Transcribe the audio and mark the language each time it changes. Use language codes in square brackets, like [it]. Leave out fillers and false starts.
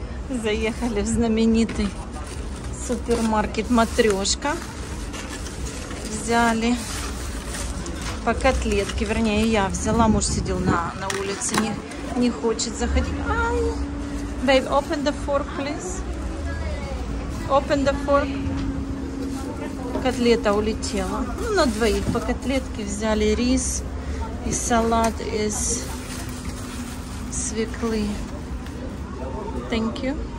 [ru] Заехали в знаменитый супермаркет Матрешка. Взяли по котлетке, вернее, я взяла, муж сидел на улице, не хочет заходить. Ай. [en] Babe, open the fork, please. Open the fork. [ru] Котлета улетела. Ну, на двоих по котлетке взяли рис и салат из свеклы. [en] Thank you.